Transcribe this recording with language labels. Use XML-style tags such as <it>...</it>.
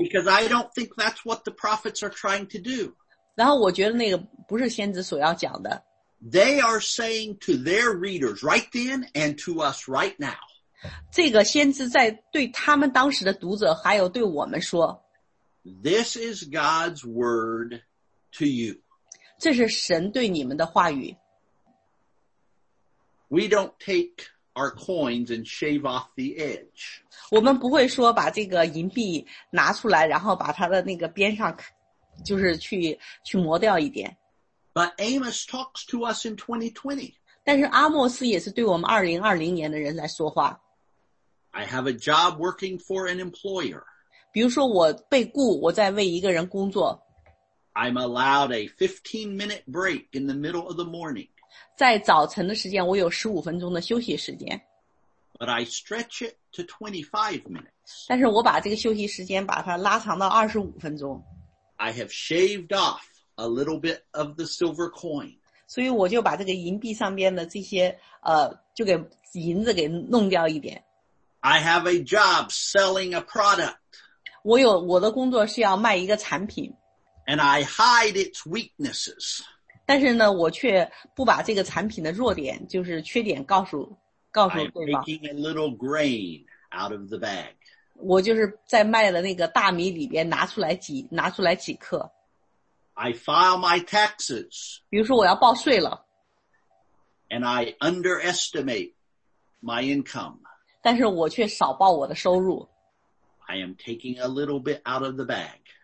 <en>Because I don't think that's what the prophets are trying to do.</en> <zh>然后我觉得那个不是先知所要讲的。</zh> <en>They are saying to their readers right then and to us right now.</en> <zh>这个先知在对他们当时的读者还有对我们说</zh> <en>This is God's word to you.</en> <zh>这是神对你们的话语。</zh> <en>We don't take our coins and shave off the edge.</en> <zh>我们不会说把这个银币拿出来然后把它的那个边上就是去磨掉一点。</zh> <en>But Amos talks to us in 2020.</en> <zh>但是阿莫斯也是对我们2020年的人来说话。</zh> <en>I have a job working for an employer.</en> <zh>比如说我被雇，我在为一个人工作。</zh> <en>I'm allowed a 15-minute break in the middle of the morning.</en> <zh>在早晨的时间，我有15分钟的休息时间。</zh> <en>But I stretch it to 25 minutes.</en> <zh>但是我把这个休息时间把它拉长到25分钟。</zh> <en>I have shaved off. A little bit of the silver coin.</en> <zh>所以我就把这个银币上边的这些就给银子给弄掉一点。</zh> <en>I have a job selling a product.</en> <zh>我的工作是要卖一个产品。</zh> <en>And I hide its weaknesses.</en> <zh>但是呢我却不把这个产品的弱点就是缺点告诉对方。</zh> <en>I'm taking a little grain out of the bag.</en> <zh>我就是在卖的那个大米里边拿出来几克。</zh> <en>I file my taxes.</en> <zh>比如说我要报税了。</zh> <en>And I underestimate my income.</en> <zh>但是我却少报我的收入。</zh> <en>I am taking a little bit out of the bag.</en>